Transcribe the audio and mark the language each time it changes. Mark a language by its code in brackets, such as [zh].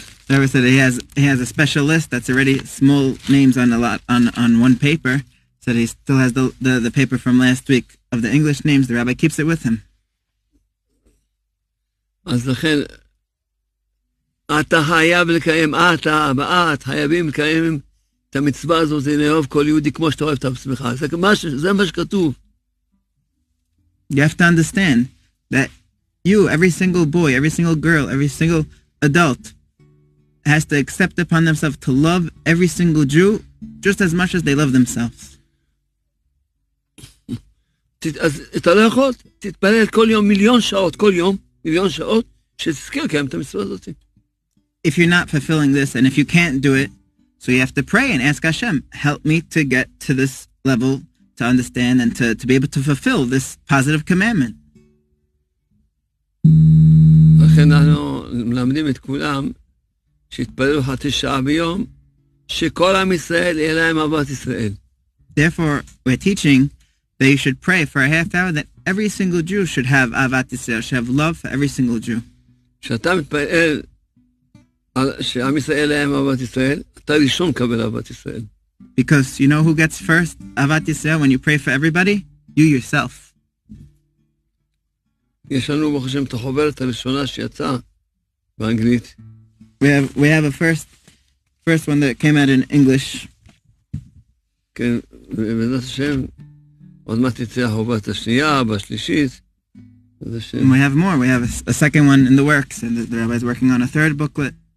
[en] Rabbi said he has a special list that's already small names on a lot on one paper. Said he still has the paper from last week of the English names. The rabbi keeps it with him. [he] אז לכן אתה חייב לקיים, אתה הבא, את חייבים לקיים את המצווה הזאת, זה לאהוב כל יהודי כמו שאתה אוהב את עצמך. זה מה שכתוב. [en] You have to understand that you, every single boy, every single girl, every single adult has to accept upon themselves to love every single Jew just as much as they love themselves. [he] אז אתה לא יכול, תתפלל כל יום מיליון שעות, כל יום מיליון שעות, שתזכיר קיים את המצווה הזאת. [en] If you're not fulfilling this, and if you can't do it, so you have to pray and ask Hashem, help me to get to this level, to understand, and to be able to fulfill this positive commandment. [he] לכן אנחנו מלמדים את כולם, שיתפללו חצי שעה ביום, שכל עם ישראל יהיה להם אהבת ישראל. [en] Therefore, we're teaching that you should pray for a half hour, that every single Jew should have Ahavat Yisrael, should have love for every single Jew. [he] כשאתה מתפלל שעם ישראל להם אהבת ישראל, אתה ראשון קבל אהבת ישראל. [en] Because you know who gets first Ahavat Yisrael when you pray for everybody? You yourself. [he] יש לנו ברוך השם את החוברת הראשונה שיצאה באנגלית. [en] We have a first one that came out in English. [he] כן, ובעזרת השם עוד מעט יצא החוברת השנייה, בשלישית. [en] And we have more. We have a second one in the works, and the rabbi is working on a third booklet.